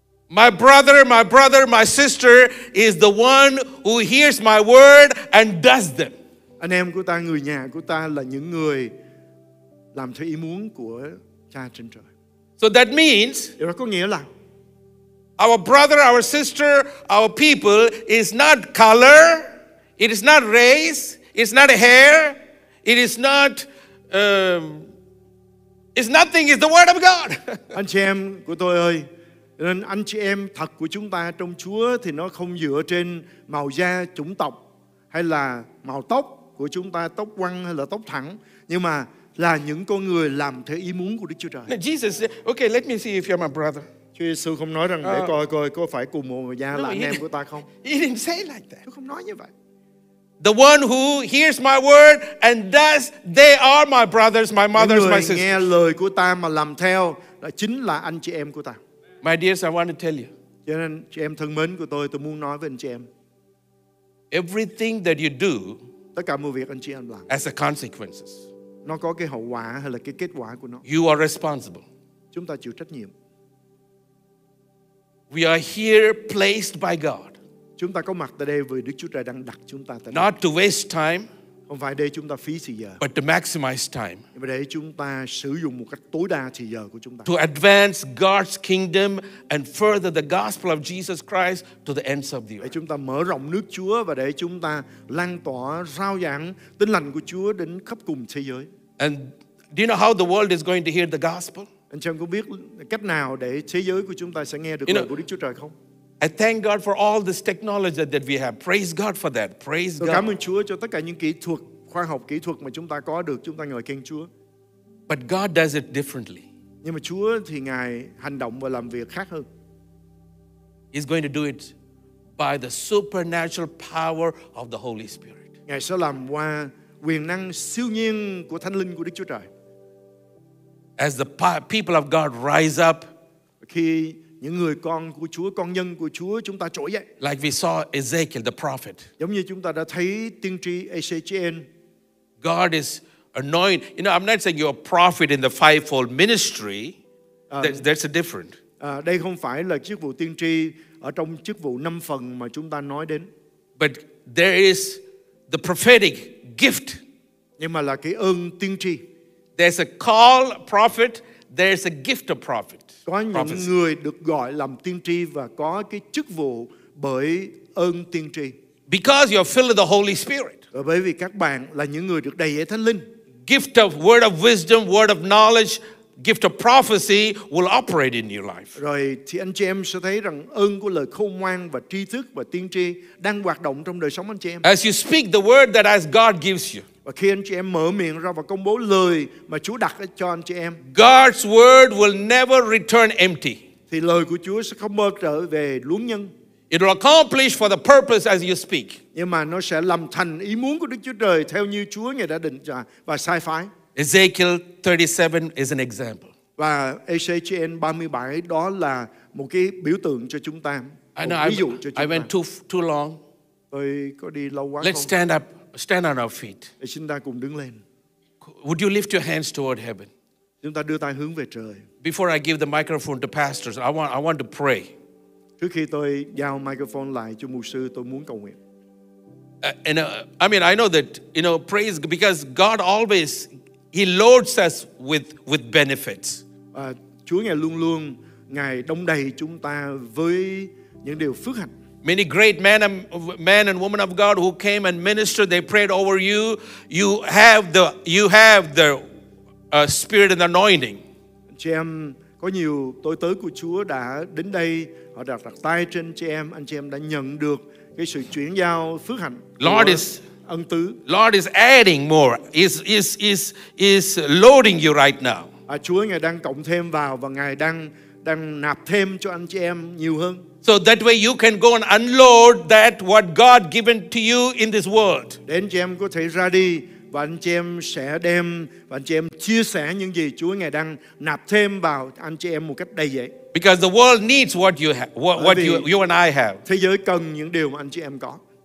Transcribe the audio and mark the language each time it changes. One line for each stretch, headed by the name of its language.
English: My brother, my sister is the one who hears my word and does them.
Vietnamese: Anh em của ta, người nhà của ta là những người làm theo ý muốn của Cha trên trời.
English: So that means,
Vietnamese: điều đó có nghĩa là
English: our brother, our sister, our people is not color, it is not race, it's not hair, it is not it's nothing, it's the word of God.
Vietnamese: Anh chị em của tôi ơi, nên anh chị em thật của chúng ta trong Chúa thì nó không dựa trên màu da, chủng tộc hay là màu tóc của chúng ta, tóc quăn hay là tóc thẳng, nhưng mà là những con người làm theo ý muốn của Đức Chúa Trời.
English: Now Jesus said, "Okay, let me see if you're my brother."
Vietnamese: Chúa Giêsu không nói rằng để coi có phải cùng màu da là anh em của ta không.
English: He didn't say like that.
Vietnamese: Tôi không nói như vậy.
English: The one who hears my word and does, they are my brothers, my mothers, my sisters.
Vietnamese: Người nghe lời của ta mà làm theo là chính là anh chị em của ta.
English: My dears, I want to tell you.
Vietnamese: Cho nên chị em thân mến của tôi muốn nói với anh chị em.
English: Everything that you do,
Vietnamese: tất cả mọi việc anh chị em làm,
English: as a consequences,
Vietnamese: nó có cái hậu quả hay là cái kết quả của nó.
English: You are responsible.
Vietnamese: Chúng ta chịu trách nhiệm.
English: We are here placed by God.
Vietnamese: Chúng ta có mặt tại đây vì Đức Chúa Trời đang đặt chúng ta tại đây.
English: Not to waste time,
Vietnamese: không phải để chúng ta phí thời giờ.
English: But to maximize time,
Vietnamese: nhưng mà để chúng ta sử dụng một cách tối đa thời giờ của chúng ta.
English: To advance God's kingdom and further the gospel of Jesus Christ to the ends of the earth.
Vietnamese: Để chúng ta mở rộng nước Chúa và để chúng ta lan tỏa rao giảng tin lành của Chúa đến khắp cùng thế giới.
English: And do you know how the world is going to hear the gospel?
Vietnamese: Anh chị em có biết cách nào để thế giới của chúng ta sẽ nghe được lời của Đức Chúa Trời không?
English: I thank God for all this technology that we have. Praise God for that. Praise God.
Vietnamese: Cảm ơn Chúa cho tất cả những kỹ thuật, khoa học kỹ thuật mà chúng ta có được. Chúng ta ngợi khen Chúa.
English: But God does it differently.
Vietnamese: Nhưng mà Chúa thì Ngài hành động và làm việc khác hơn.
English: He's going to do it by the supernatural power of the Holy Spirit.
Vietnamese: Ngài sẽ làm qua quyền năng siêu nhiên của Thánh Linh của Đức Chúa Trời.
English: As the people of God rise up,
Vietnamese: khi những người con của Chúa, con nhân của Chúa chúng ta trỗi dậy,
English: like we saw Ezekiel the prophet,
Vietnamese: giống như chúng ta đã thấy tiên tri Ezekiel,
English: God is anointed. You know, I'm not saying you're a prophet in the fivefold ministry. That's a different.
Vietnamese: Đây không phải là chức vụ tiên tri ở trong chức vụ năm phần mà chúng ta nói đến.
English: But there is the prophetic gift.
Vietnamese: Nhưng mà là cái ơn tiên tri.
English: There's a call prophet, there's a gift of prophet.
Vietnamese: Có những prophecy. Người được gọi làm tiên tri và có cái chức vụ bởi ơn tiên tri.
English: Because you're filled with the Holy Spirit.
Vietnamese: Bởi vì các bạn là những người được đầy dẫy Thánh Linh.
English: Gift of word of wisdom, word of knowledge, gift of prophecy will operate in your life.
Vietnamese: Rồi thì anh chị em sẽ thấy rằng ơn của lời khôn ngoan và tri thức và tiên tri đang hoạt động trong đời sống anh chị em.
English: As you speak the word that as God gives you.
Vietnamese: Và khi anh chị em mở miệng ra và công bố lời mà Chúa đặt cho anh chị em,
English: God's word will never return empty.
Vietnamese: Thì lời của Chúa sẽ không bao giờ trở về luống nhân.
English: It will accomplish for the purpose as you speak.
Vietnamese: Nhưng mà nó sẽ làm thành ý muốn của Đức Chúa Trời theo như Chúa Ngài đã định và sai phái.
English: Ezekiel 37 is an example.
Vietnamese: Và Ezekiel 37 đó là một cái biểu tượng cho chúng ta.
English: I went too long.
Vietnamese: Tôi có đi lâu quá.
English: Let's stand up. Stand on our feet.
Vietnamese: Chúng ta cùng đứng lên.
English: Would you lift your hands toward heaven?
Vietnamese: Chúng ta đưa tay hướng về trời.
English: Before I give the microphone to pastors, I want to pray.
Vietnamese: Trước khi tôi giao microphone lại cho mục sư, tôi muốn cầu nguyện.
English: I know that praise because God always He loads us with benefits.
Vietnamese: Chúa Ngài luôn luôn Ngài đông đầy chúng ta với những điều phước hạnh.
English: Many great men and women of God who came and ministered, they prayed over you. You have the spirit and anointing.
Vietnamese: Chị em, có nhiều tôi tớ của Chúa đã đến đây, họ đặt đặt tay trên chị em, anh chị em đã nhận được cái sự chuyển giao phước hạnh.
English: Lord is
Vietnamese: ân tứ.
English: Lord is adding more. Is loading you right now.
Vietnamese: Chúa Ngài đang cộng thêm vào và Ngài đang nạp thêm cho anh chị em nhiều hơn.
English: So that way you can go and unload that what God given to you in this world.
Vietnamese: Để anh chị em có thể ra đi và anh chị em sẽ đem và anh chị em chia sẻ những gì Chúa Ngài đang nạp thêm vào anh chị em một cách đầy dẫy.
English: Because the world needs what you have, what you and I have.
Vietnamese: Thế giới cần những điều mà anh chị em có.